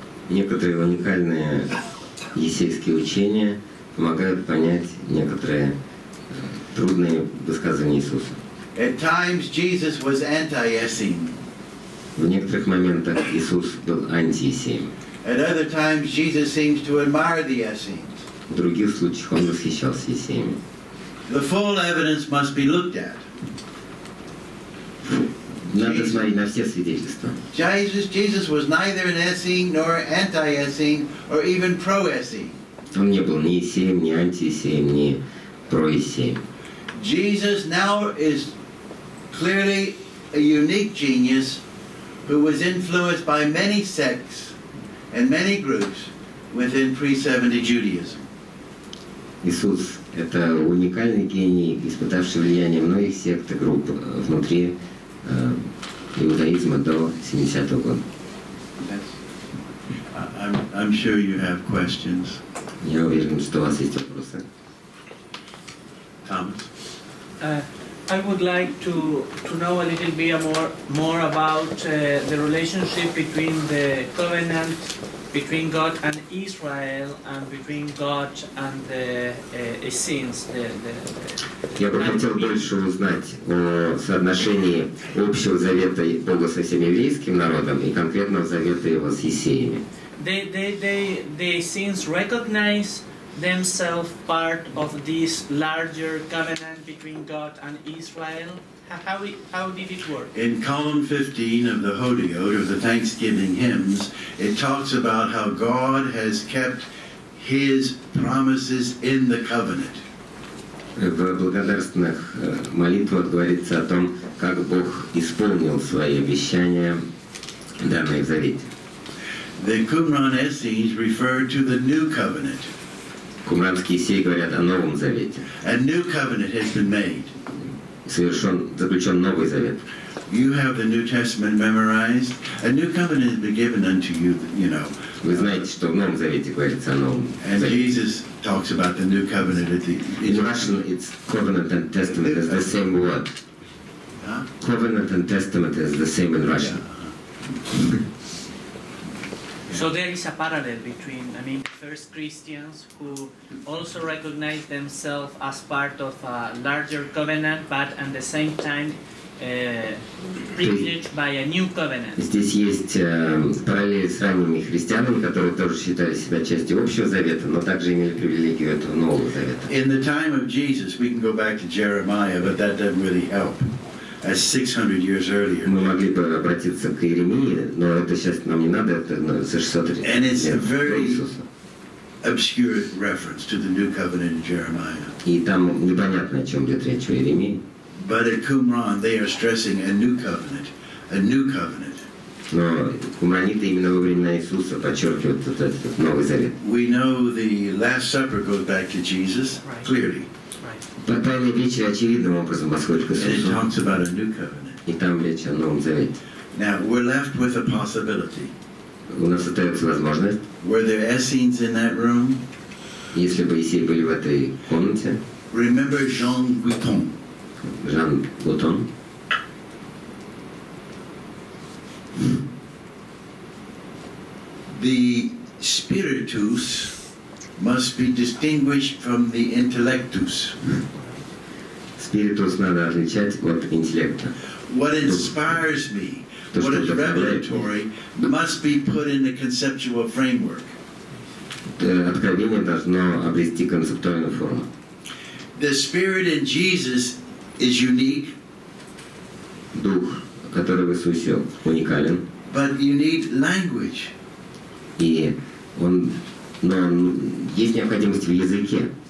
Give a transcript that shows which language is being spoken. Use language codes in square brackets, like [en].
[ru] Некоторые уникальные есейские учения помогают понять некоторые трудные высказывания Иисуса. [en] At times Jesus was anti-Essene. [ru] В некоторых моментах Иисус был анти-Эссеем. [en] At other times, Jesus seems to admire the Essenes. [ru] В других случаях он восхищался Эссеями. [en] The full evidence must be looked at. [ru] Надо смотреть на все свидетельства. [en] Jesus was neither an Essene nor anti-Essene or even pro-Essene. [ru] Он не был ни Эссеем, ни анти-Эссеем, ни про-Эссеем. [en] Jesus now is clearly a unique genius who was influenced by many sects and many groups within pre-70 Judaism. [ru] Иисус – это уникальный гений, испытавший влияние многих сект и групп внутри иудаизма до 70-го года. [en] Yes. I'm sure you have questions. [ru] Я уверен, что у вас есть вопросы. [en] Thomas. I would like to know a little bit more about the relationship between the covenant between God and Israel and between God and the Essenes. [ru] Я бы хотел больше узнать о соотношении общего завета Бога со всеми еврейским народом и конкретно завета его с Ессеями. [en] The Essenes recognize themselves part of this larger covenant between God and Israel. How did it work? In column 15 of the Hodiot, or the Thanksgiving hymns, it talks about how God has kept His promises in the covenant. [ru] В благодарственных молитвах говорится о том, как Бог исполнил свои обещания, данные в Завете. [en] The Qumran Essenes refer to the new covenant. [ru] Кумранские сеи говорят о Новом Завете. [en] A new covenant has been made. [ru] Заключен Новый Завет. [en] You have the New Testament memorized. A new covenant has been given unto you, you know. [ru] Вы знаете, что в Новом Завете говорится о Новом Завете. [en] And Jesus talks about the new covenant at the... In Russian, it's covenant and testament is the same word. Covenant and testament is the same in Russian. Yeah. So there is a parallel between, I mean, first Christians who also recognize themselves as part of a larger covenant, but at the same time by a new covenant. [ru] Здесь есть параллель с ранними христианами, которые тоже считали себя частью Общего Завета, но также имели привилегию этого Нового Завета. [en] In the time of Jesus, we can go back to Jeremiah, but that doesn't really help. As 600 years earlier. [ru] Мы могли бы обратиться к Иеремии, но это сейчас нам не надо, это за 600 лет. [en] And it's a very obscure reference to the new covenant in Jeremiah. [ru] И там непонятно, о чем идет речь в Иеремии. [en] But at Qumran, they are stressing a new covenant, a new covenant. [ru] Но кумраниты именно во времена Иисуса подчеркивают этот Новый Завет. [en] We know the Last Supper goes back to Jesus, right. Clearly. [ru] По Тайной Вечере очевидным образом восходит к Иисусу. И там речь о Новом Завете. [en] Now, we're left with a possibility. [ru] У нас остается возможность. [en] Were there Essenes in that room? [ru] Если бы Эссены были в этой комнате. [en] Remember Jean Guiton. Jean Guiton. The spiritus must be distinguished from the intellectus. [ru] Спиритус надо отличать от интеллекта. [en] What inspires me, what is revelatory, must be put in the conceptual framework. [ru] Откровение должно обрести концептуальную форму. [en] The spirit in Jesus is unique. [ru] Дух, который в Иисусе, уникален. [en] But you need language. [ru] И он, но есть необходимость в языке.